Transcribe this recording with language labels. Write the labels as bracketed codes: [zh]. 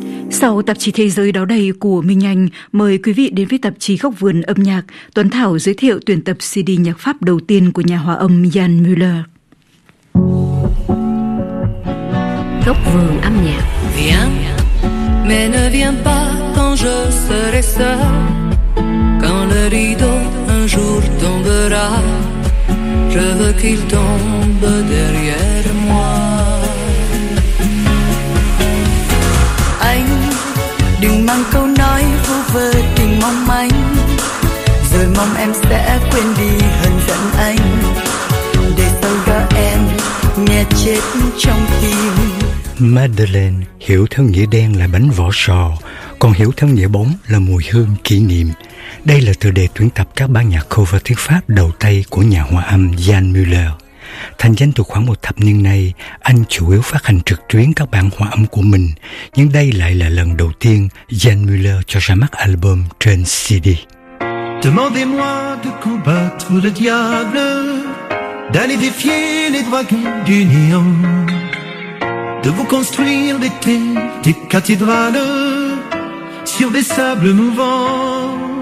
[vi] Sau tạp chí thế giới đó đây của Minh Anh, mời quý vị đến với tạp chí Góc vườn âm nhạc. Tuấn Thảo giới thiệu tuyển tập CD nhạc Pháp đầu tiên của nhà hòa âm Jan Müller. Góc vườn âm nhạc. [fr] Viens, mais ne viens pas quand je serai seul. Quand le rideau un jour tombera, je veux qu'il tombe derrière moi. [vi] Đừng mang câu nói vu vơ, đừng mong manh. Rồi mong em sẽ quên đi hờn giận anh. Để sau đó em nghe chết trong tim. Madeleine hiểu thân nghĩa đen là bánh vỏ sò, còn hiểu thân nghĩa bóng là mùi hương kỷ niệm. Đây là tựa đề tuyển tập các ban nhạc cover tiếng Pháp đầu tay của nhà hòa âm Jan Müller. Thành danh từ khoảng một thập niên nay, anh chủ yếu phát hành trực tuyến các bản hòa âm của mình, nhưng đây lại là lần đầu tiên Jan Müller cho ra mắt album trên CD. [fr] Demandez-moi de combattre le diable, d'aller défier les dragons du néant, de vous construire des têtes, des cathédrales sur des sables mouvants.